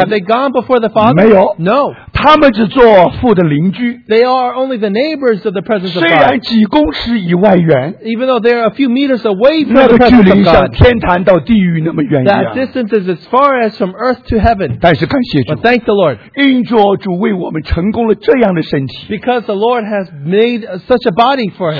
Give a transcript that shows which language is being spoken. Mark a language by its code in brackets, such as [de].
[en] Have they gone before the Father? [zh] 没有, [en] no. [zh] 他们只做父的邻居, [en] they are only the neighbors of the presence of God. [zh] 虽然几公尺以外远, [en] even though they are a few meters away from the presence of God, [zh] 那个距离像天坛到地狱那么远一样, [en] that distance is as far as from earth to heaven. [zh] 但是感谢主, [en] but thank the Lord, [zh] 因着主为我们成功了这样的身体, [en] because the Lord has made such a body for him.